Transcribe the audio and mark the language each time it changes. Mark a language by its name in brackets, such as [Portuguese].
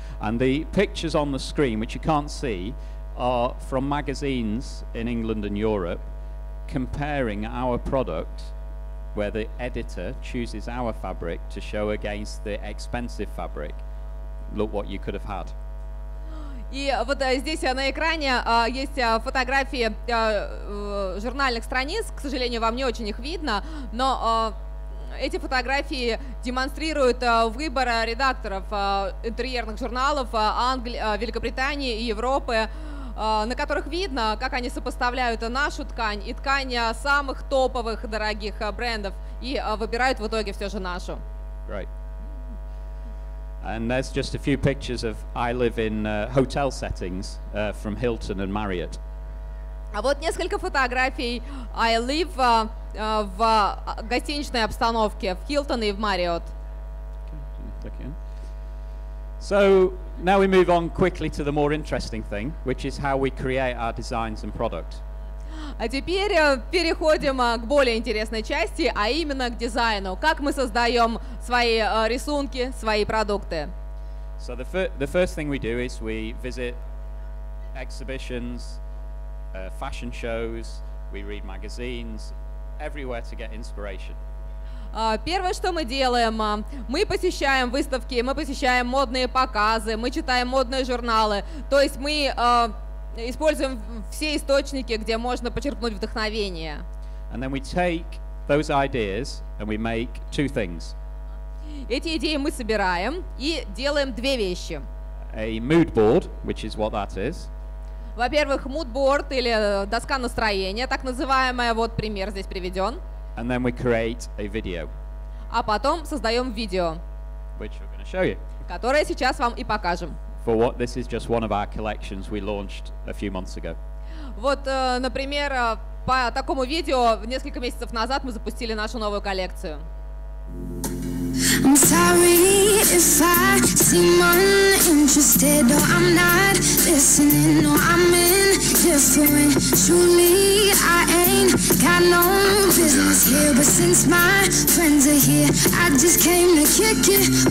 [English] And the pictures on the screen, which you can't see, are from magazines in England and Europe comparing our product where the editor chooses our fabric to show against the expensive fabric. Look what you could have had. [Russian] И вот здесь на экране есть фотографии журнальных страниц. К сожалению, вам не очень их видно, но эти фотографии демонстрируют выбор редакторов интерьерных журналов Великобритании и Европы, на которых видно, как они сопоставляют нашу ткань и ткань самых топовых дорогих брендов и выбирают в итоге все же нашу. [English] Right. And there's just a few pictures of I live in hotel settings from Hilton and Marriott. [Russian] А вот несколько фотографий I live в гостиничной обстановке в Hilton и в Marriott. [English] Okay. So now we move on quickly to the more interesting thing, which is how we create our designs and product. [Russian] А теперь переходим к более интересной части, а именно к дизайну. Как мы создаем свои рисунки, свои продукты? [English] So the first thing we do is we visit exhibitions, fashion shows, we read magazines, everywhere to get inspiration. [Russian] Первое, что мы делаем, мы посещаем выставки, мы посещаем модные показы, мы читаем модные журналы. То есть мы используем все источники, где можно почерпнуть вдохновение. [English] And then we take those ideas and we make two things. [Russian] Эти идеи мы собираем и делаем две вещи. [English] A mood board, which is what that is. [Russian] Во-первых, mood board или доска настроения, так называемая, вот пример здесь приведен. [English] And then we create a video. [Russian] А потом создаем видео, [English] which we're going to show you. [Russian] Которое сейчас вам и покажем. [English] For what this is just one of our collections we launched a few months ago. [Russian] Вот, например, по такому видео несколько месяцев назад мы запустили нашу новую коллекцию. [English] I'm sorry if I seem uninterested, or I'm not listening, or I'm indifferent. Truly, I ain't got no business here, but since my friends are here, I just came to kick it.